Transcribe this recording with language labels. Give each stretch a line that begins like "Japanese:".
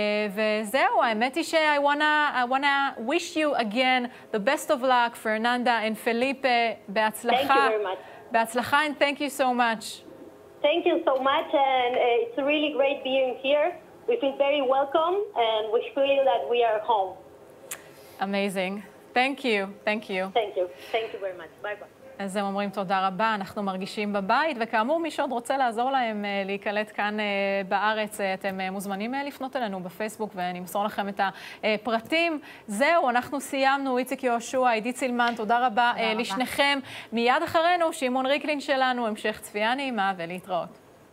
Hebrew: וזהו, האמת היא
English: I wanna wish you again the best of luck, פרננדה. Fernanda and Felipe,
Hebrew: בהצלחה.
English: Thank you very much.
Hebrew: בהצלחה
English: and thank you so much. Thank you so much, and it's really great being here. We feel very welcome, and we feel that we are home. Amazing. Thank you. Thank you. Thank you. Thank you very much. Bye-bye.
Hebrew: אז הם אומרים תודה רבה, אנחנו מרגישים בבית, וכאמור, מי שעוד רוצה לעזור להם להיקלט כאן בארץ, אתם מוזמנים לפנות אלינו בפייסבוק, ואני אמסור לכם את הפרטים. זהו, אנחנו סיימנו, איציק יהושע, עידי צילמן, תודה רבה לשניכם. מיד אחרינו, שמעון ריקלין שלנו, המשך צפייה נעימה ולהתראות.